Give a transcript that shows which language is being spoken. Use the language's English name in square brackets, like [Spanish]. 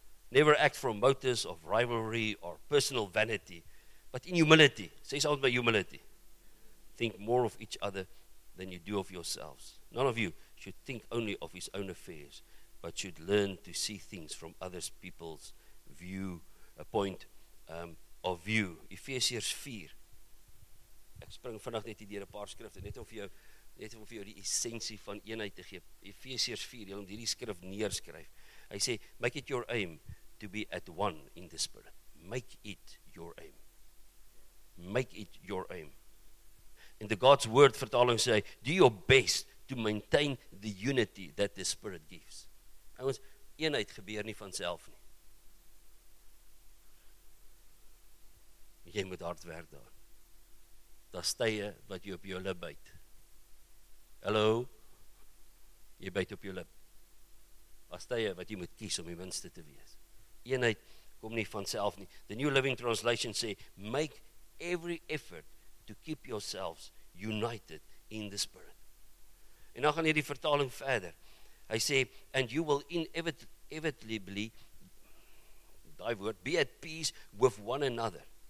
[English] Never act from motives of rivalry or personal vanity, but in humility, says out by humility, think more of each other than you do of yourselves. None of you should think only of his own affairs, but should learn to see things from other people's view, a point of view. Ephesians 4. [Afrikaans] Ek spring vannacht net hier 'n paar skrifte, net om vir jou die essentie van eenheid te gee. Ephesians 4, jy moet hierdie skrif neerskryf. Hy sê, [English] make it your aim to be at one in the spirit. Make it your aim. Make it your aim. In the God's word [Afrikaans] vertaling sê, [English] do your best to maintain the unity that the spirit gives. [Afrikaans] Ons, eenheid gebeur nie vanself nie. Jy moet hard werk daar. Daar stye wat jy op jou lip byt. Hallo? Jy byt op jou lip. Daar stye wat jy moet kies om die minste te wees. Eenheid kom nie vanself nie. [English] The New Living Translation [Afrikaans] sê, [English] make every effort to keep yourselves united in the spirit. [Afrikaans] En dan gaan hier die vertaling verder. Hy sê, [English] and you will inevitably, [Afrikaans] die woord, [English] be at peace with one another.